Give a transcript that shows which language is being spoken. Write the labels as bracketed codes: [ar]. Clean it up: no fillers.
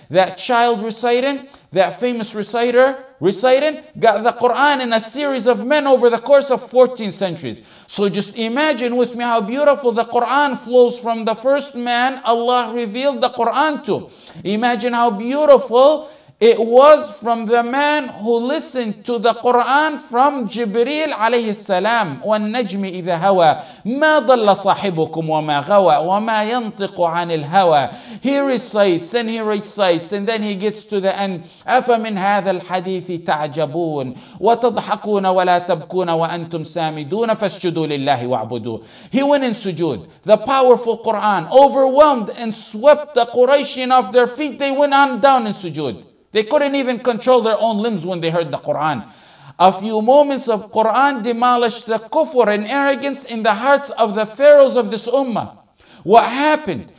[en] That child reciting, that famous reciter reciting, got the Quran in a series of men over the course of 14 centuries. So just imagine with me how beautiful the Quran flows from the first man Allah revealed the Quran to. Imagine how beautiful It was from the man who listened to the Quran from Jibreel [ar] عليه السلام والنجم إذا هوى ما ضل صاحبكم وما غوى وما ينطق عن الهوى. [en] He recites and he recites and then he gets to the end. [ar] أفمن هذا الحديث تعجبون وتضحكون ولا تبكون وأنتم سامدون فاسجدوا لله واعبدوا. [en] He went in sujood. The powerful Quran overwhelmed and swept the Quraysh off their feet. They went on down in sujood. They couldn't even control their own limbs when they heard the Quran. A few moments of Quran demolished the kufr and arrogance in the hearts of the pharaohs of this ummah. What happened?